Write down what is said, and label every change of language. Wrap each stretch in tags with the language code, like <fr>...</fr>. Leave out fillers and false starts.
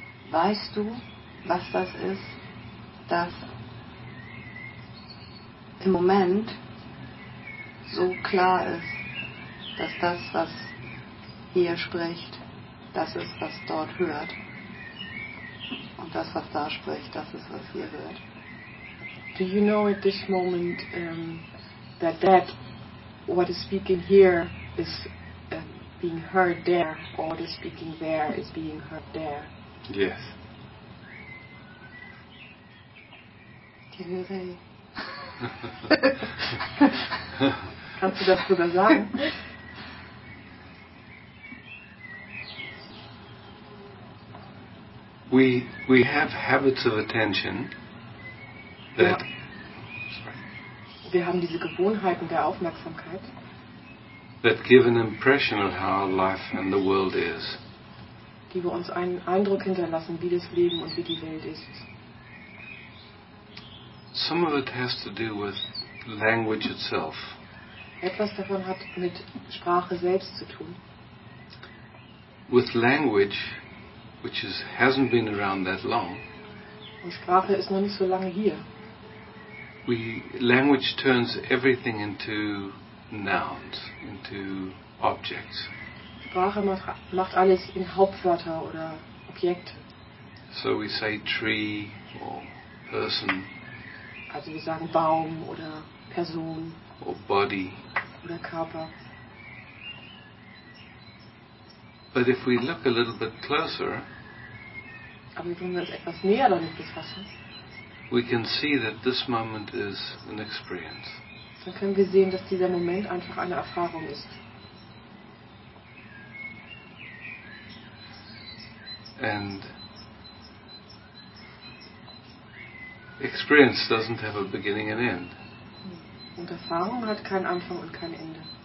<de>Weißt du, was das ist, dass im Moment so klar ist, dass das, was hier spricht, das ist, was dort hört? Und das, was da spricht, das ist, was hier hört.</de> <en>Do you know at this moment that what is speaking here is being heard there, or what is speaking there is being heard there? Yes.</en> <de>Die höre ich. Kannst du das drüber sagen?</de> <en>We have habits of attention that</en> <de>wir haben diese Gewohnheiten der Aufmerksamkeit</de> <en>that give an impression of how life and the world is,</en> <de>die wir uns einen Eindruck hinterlassen, wie das Leben und wie die Welt ist.</de> <en>Some of it has to do with language itself.</en> <de>Etwas davon hat mit Sprache selbst zu tun.</de> <en>With language which hasn't been around that long.</en> <de>Und Sprache ist noch nicht so lange hier.</de> <en>Language turns everything into nouns, into objects.</en> <de>Sprache macht alles in Hauptwörter oder Objekte.</de> <en>So we say tree or person.</en> <de>Also wir sagen Baum oder Person.</de> <en>Or body.</en> <de>Oder Körper.</de> <en>But if we look a little bit closer,</en> <de>aber wenn wir uns etwas näher damit befassen,</de> <en>we can see that this moment is an experience.</en> <de>Dann können wir sehen, dass dieser Moment einfach eine Erfahrung ist.</de> <en>And experience doesn't have a beginning and end.</en> <de>Und Erfahrung hat keinen Anfang und kein Ende.</de>